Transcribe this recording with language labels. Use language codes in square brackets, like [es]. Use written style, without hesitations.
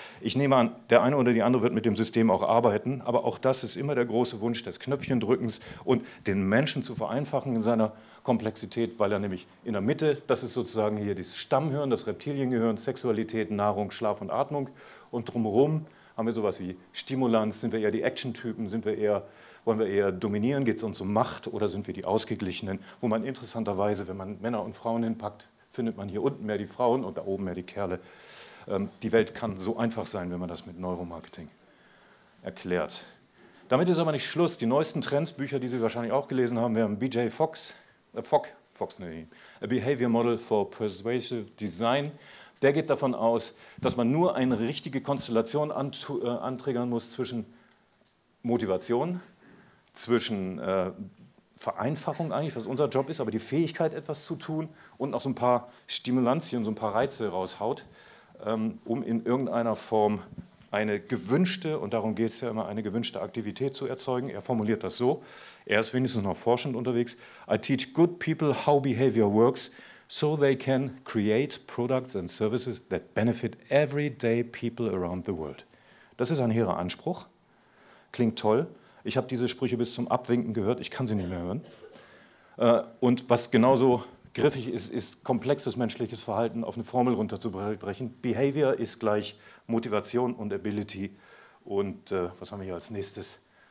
[de] Ich nehme an, der eine oder die andere wird mit dem System auch arbeiten, aber auch das ist immer der große Wunsch des Knöpfchendrückens und den Menschen zu vereinfachen in seiner Komplexität, weil er nämlich in der Mitte, das ist sozusagen hier das Stammhirn, das Reptiliengehirn, Sexualität, Nahrung, Schlaf und Atmung und drumherum haben wir sowas wie Stimulanz, sind wir eher die Action-Typen, wollen wir eher dominieren, geht es uns um Macht oder sind wir die Ausgeglichenen, wo man interessanterweise, wenn man Männer und Frauen hinpackt, findet man hier unten mehr die Frauen und da oben mehr die Kerle. Die Welt kann so einfach sein, wenn man das mit Neuromarketing erklärt. Damit ist aber nicht Schluss. Die neuesten Trends, Bücher, die Sie wahrscheinlich auch gelesen haben, wären B.J. [en] Fox, A Behavior Model for Persuasive Design. [de] Der geht davon aus, dass man nur eine richtige Konstellation antriggern muss zwischen Motivation, zwischen Vereinfachung eigentlich, was unser Job ist, aber die Fähigkeit, etwas zu tun und noch so ein paar Stimulanzien, so ein paar Reize raushaut, um in irgendeiner Form eine gewünschte, und darum geht es ja immer, eine gewünschte Aktivität zu erzeugen. Er formuliert das so, er ist wenigstens noch forschend unterwegs. [en] I teach good people how behavior works, so they can create products and services that benefit everyday people around the world. [de] Das ist ein hehrer Anspruch, klingt toll. Ich habe diese Sprüche bis zum Abwinken gehört, ich kann sie nicht mehr hören. Und was genauso griffig ist, ist komplexes menschliches Verhalten auf eine Formel runterzubrechen. Behavior ist gleich Motivation und Ability. Und was haben wir hier als nächstes?